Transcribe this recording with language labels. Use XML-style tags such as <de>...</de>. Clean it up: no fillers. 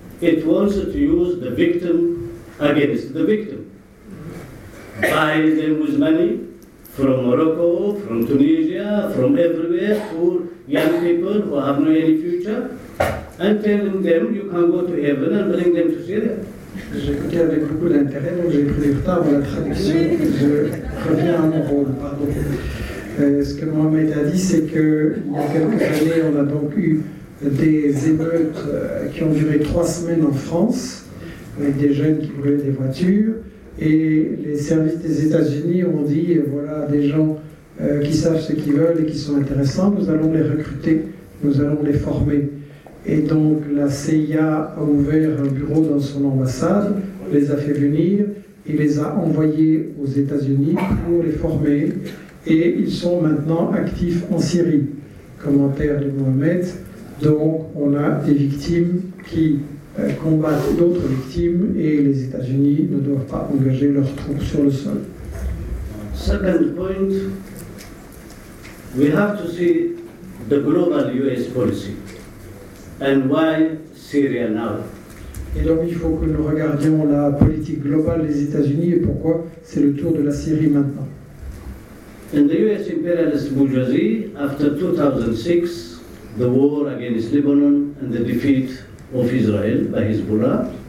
<en>It wants to use the victim against the victim. Buy them with money from Morocco, from Tunisia, from everywhere, poor young people who have no any future, and telling them you can go to heaven and bring them to Syria.</en> <fr>J'écoutais avec beaucoup d'intérêt, donc j'ai pris du retard pour la traduction. Je reviens à mon rôle, pardon. Ce que Mohamed a dit, c'est qu'il y a quelques années, on a donc eu des émeutes qui ont duré 3 semaines en France, avec des jeunes qui brûlaient des voitures. Et les services des États-Unis ont dit, voilà, des gens qui savent ce qu'ils veulent et qui sont intéressants, nous allons les recruter, nous allons les former. Et donc la CIA a ouvert un bureau dans son ambassade, les a fait venir, et les a envoyés aux États-Unis pour les former. Et ils sont maintenant actifs en Syrie. Commentaire de Mohamed. Donc on a des victimes qui combattent d'autres victimes et les États-Unis ne doivent pas engager leurs troupes sur le sol.</fr> <en>Second point, we have to see the global US policy and why Syria now.</en> <fr>Et donc il faut que nous regardions la politique globale des États-Unis et pourquoi c'est le tour de la Syrie maintenant.</fr> <en>In the US imperialist bourgeoisie, after 2006, the war against Lebanon and the defeat of Israel by Hezbollah.</en>